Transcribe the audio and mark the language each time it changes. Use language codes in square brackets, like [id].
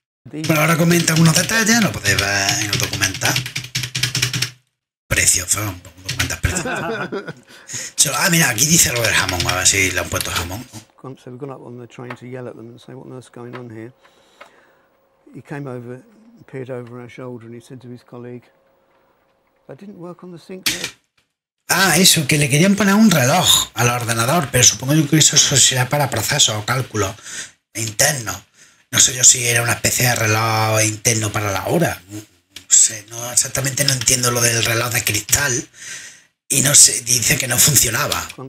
[es] Pero ahora comenta algunos detalles, lo podéis ver en el documental. Precioso, un documental precioso. Ah, mira, aquí dice lo del jamón, a ver si le han puesto jamón. [en] So we got up on the train to yell at them and say, what on earth's going on here? He came over, peered over our shoulder and he said to his colleague, that didn't work on the sync. [es] Ah, eso, que le querían poner un reloj al ordenador, pero supongo que eso será para procesos o cálculos internos. No sé yo si era una especie de reloj interno para la hora. No exactamente no entiendo lo del reloj de cristal. Y no sé, dice que no funcionaba.